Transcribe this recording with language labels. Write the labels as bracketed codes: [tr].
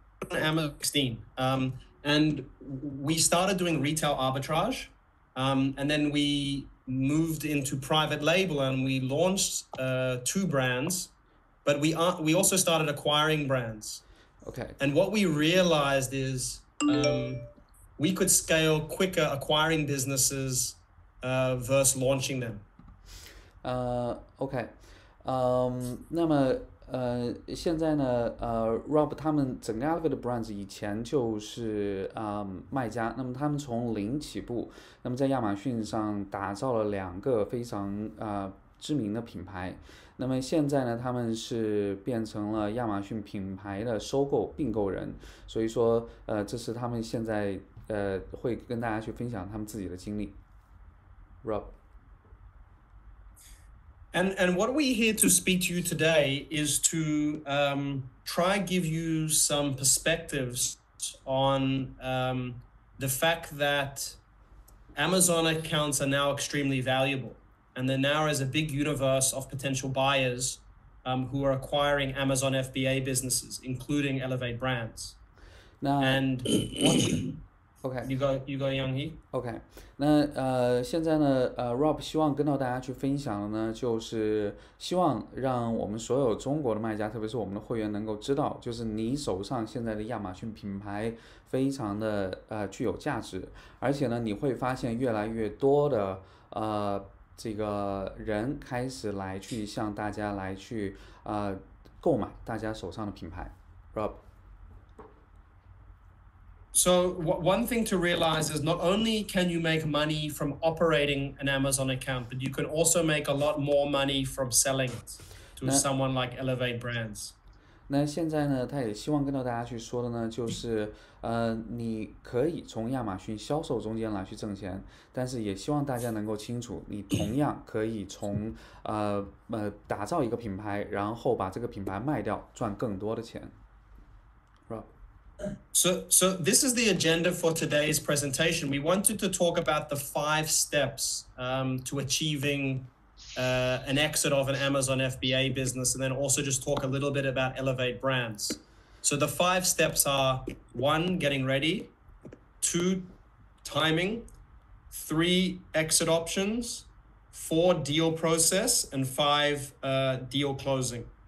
[en] Amazon 16, and we started doing retail arbitrage, and then we moved into private label, and we launched two brands, but we also started acquiring brands. Okay. And what we realized is we could scale quicker acquiring businesses versus launching them. [zh] OK，那么现在呢，Rob 他们整个 Elevate Brands 以前就是卖家，那么他们从零起步，那么在亚马逊上打造了两个非常知名的品牌，那么现在呢，他们是变成了亚马逊品牌的收购并购人，所以说这是他们现在会跟大家去分享他们自己的经历，Rob。 [en] And what we're here to speak to you today is to try give you some perspectives on the fact that Amazon accounts are now extremely valuable, and there now is a big universe of potential buyers who are acquiring Amazon FBA businesses, including Elevate Brands. 那 And you go, Yang He. [zh] OK，那现在呢，Rob 希望跟到大家去分享的呢，就是希望让我们所有中国的卖家，特别是我们的会员能够知道，就是你手上现在的亚马逊品牌非常的具有价值，而且呢，你会发现越来越多的这个人开始来去向大家来去购买大家手上的品牌，Rob。 [en] So one thing to realize is not only can you make money from operating an Amazon account, but you can also make a lot more money from selling it to someone like Elevate Brands. [zh] 那现在呢，他也希望跟到大家去说的呢，就是，你可以从亚马逊销售中间来去挣钱，但是也希望大家能够清楚，你同样可以从打造一个品牌，然后把这个品牌卖掉，赚更多的钱，Rob。 [en] So this is the agenda for today's presentation. We wanted to talk about the five steps to achieving an exit of an Amazon FBA business, and then also just talk a little bit about Elevate Brands. So the five steps are: one, getting ready; two, timing; three, exit options; four, deal process; and five, deal closing.